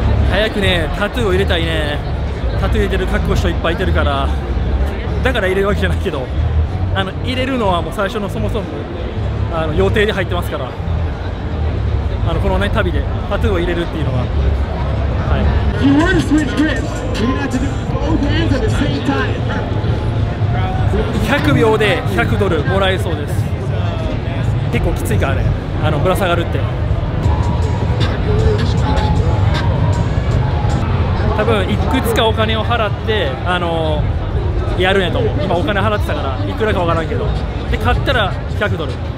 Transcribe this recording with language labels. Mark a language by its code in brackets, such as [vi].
[ja] 早くね、タトゥーを入れたいね。タトゥー入れてる格好した人いっぱいいてるから。だから入れるわけじゃないけど、入れるのはもう最初のそもそも予定で入ってますから。このね、旅でタトゥーを入れるっていうのは。はい。 [en] You want to switch grips? You need to do both hands at the same time. [ja] 100秒で100ドルもらえそうです。結構きついからね、ぶら下がるって。多分いくつかお金を払ってやるんやと思う。今お金払ってたからいくらかわからんけど、で買ったら100ドル。